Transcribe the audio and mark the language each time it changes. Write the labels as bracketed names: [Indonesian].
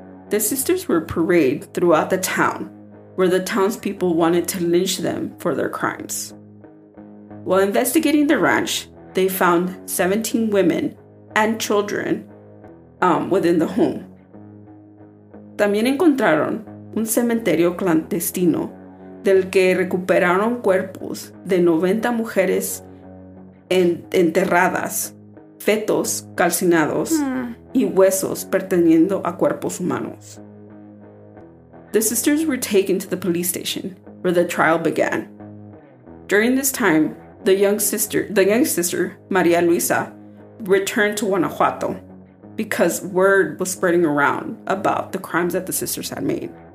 [English] The sisters were paraded throughout the town, where the townspeople wanted to lynch them for their crimes. While investigating the ranch, they found 17 women and children within the home. [Spanish] También encontraron un cementerio clandestino del que recuperaron cuerpos de 90 mujeres enterradas, fetos calcinados, y huesos perteniendo a cuerpos humanos. [English] The sisters were taken to the police station, where the trial began. During this time, the young sister, Maria Luisa, returned to Guanajuato because word was spreading around about the crimes that the sisters had made.